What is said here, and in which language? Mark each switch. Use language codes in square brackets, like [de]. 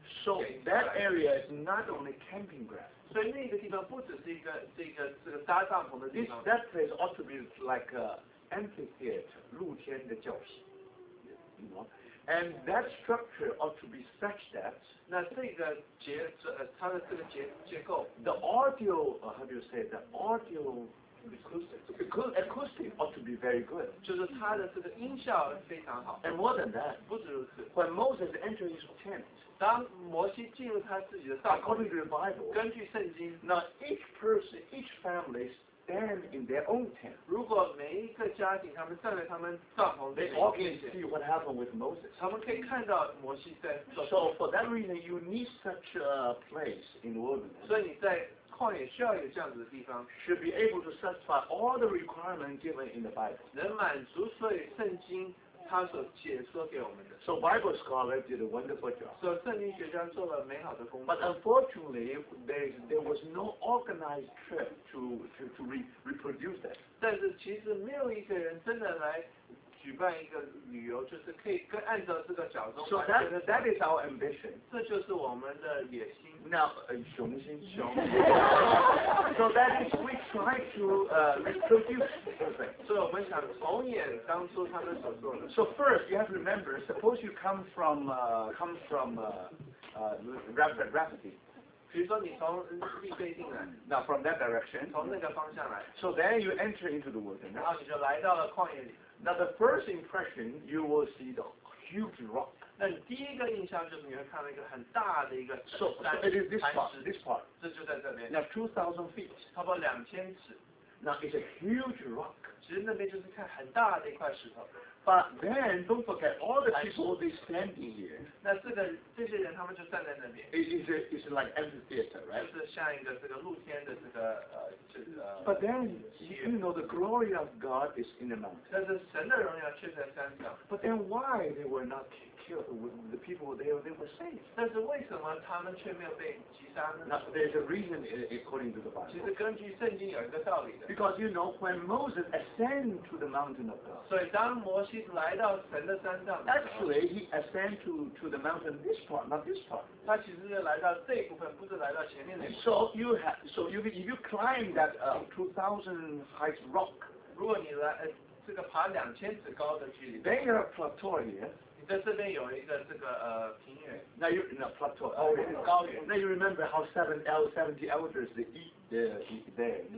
[en] So that area is not only camping ground. [zh] 所以那个地方不只是一个搭帐篷的地方。 [en] That place ought to be like a amphitheater, [zh] 露天的教室。 [en] And that structure ought to be such that [zh] 那这个结它的这个结构 [en] the audio, how do you say, the audio acoustic ought to be very good. [zh] 就是它的这个音效非常好。 [en] And more than that, [zh] 不止如此。 [en] When Moses entered his tent, [zh] 当摩西进入他自己的帐篷， [en] According to the Bible, [zh] 根据圣经 [en] ，Now each person, each family stand in their own tent. [zh] 如果每一个家庭他们站在他们帐篷里面 [en] They all can see what happened with Moses. [zh] 他们可以看到摩西在做事。 [en] So for that reason, you need such a place in the wilderness. [zh] 所以你在旷野需要有这样子的地方。 [en] Should be able to satisfy all the requirements given in the Bible. [zh] 能满足所有圣经他所解说给我们的。 [en] So Bible scholar did a wonderful job. [zh] 所以圣经学家做了美好的工作。 [en] But unfortunately, there was no organized trip to reproduce that. [zh] 但是其实没有一个人真的来举办一个旅游，就是可以跟按照这个脚中。 [en] So that is our ambition. [zh] 这就是我们的野心。 [en] Now, [zh] 雄心雄。 [en] So that is we try to reproduce. So first, you have to remember. Suppose you come from Rafferty. [zh] 比如说你从利非定来。 [en] Now from that direction. [zh] 从那个方向来。 [en] So then you enter into the wilderness. [zh] 然后你就来到了旷野里。 [en] Now the first impression, you will see the huge rock. [zh] 那第一个印象就是你会看到一个很大的一个山。 [en] So it is this part. [zh] 这就在这边。 [en] Now 2,000 feet. [zh] 差不多两千尺。 [en] Now it's a huge rock. [zh] 其实那边就是看很大的一块石头。 [en] But then don't forget all the people they standing here. [zh] 那这个这些人他们就站在那边。 [en] It's like amphitheater, right? [zh] 就是像一个这个露天的这个 [en] But then you know the glory of God is in the mountain. [zh] 但是神的荣耀却在山上。 [en] But then why they were not killed? The people they were saved. [zh] 但是为什么他们却没有被击杀呢？ [en] Now there's a reason according to the Bible. [zh] 其实根据圣经有一个道理的。 [en] Because you know when Moses ascend to the mountain of God. [zh] 所以当摩西来到神的山上的时候 [en] Actually, he ascend to the mountain this part, not this part. [zh] 他其实是来到这一部分，不是来到前面那一部分。 [en] So you if you climb that 2,000 height rock, [zh] 如果你来这个爬两千尺高的距离 [en] ，then you're a plateau here. [zh] 你在这边有一个这个平原。 [en] Now you in a plateau. [zh] 哦、 [en] oh, yeah. [zh] ，高原。 [en] Now you remember how seventy elders they eat.